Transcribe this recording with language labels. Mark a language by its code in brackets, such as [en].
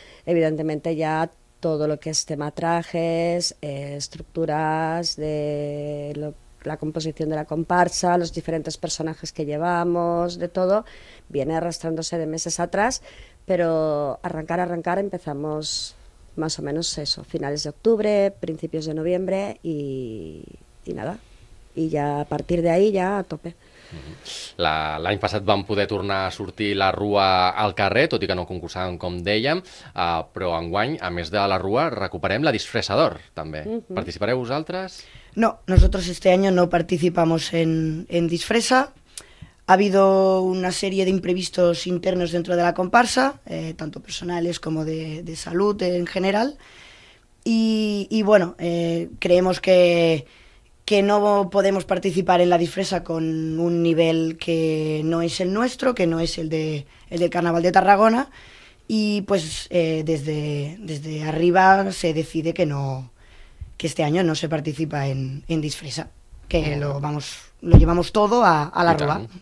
[es] Evidentemente ya todo lo que es tema trajes, estructuras, la composición de la comparsa, los diferentes personajes que llevamos, de todo, viene arrastrándose de meses atrás, pero arrancar empezamos más o menos eso, finales de octubre, principios de noviembre y nada. Y ya a partir de ahí ya a tope. [ca] L'any passat vam poder tornar a sortir la rua al carrer, tot i que no concursàvem, com dèiem, però enguany, a més de la rua, recuperem la disfressa d'or, també. Participareu vosaltres? [es] No, nosotros este año no participamos en disfressa. Ha habido una serie de imprevistos internos dentro de la comparsa, tanto personales como de salud en general, y bueno, creemos que no podemos participar en la disfresa con un nivel que no es el nuestro, que no es el del Carnaval de Tarragona, y pues desde arriba se decide que este año no se participa en disfresa, que lo llevamos todo a la rua.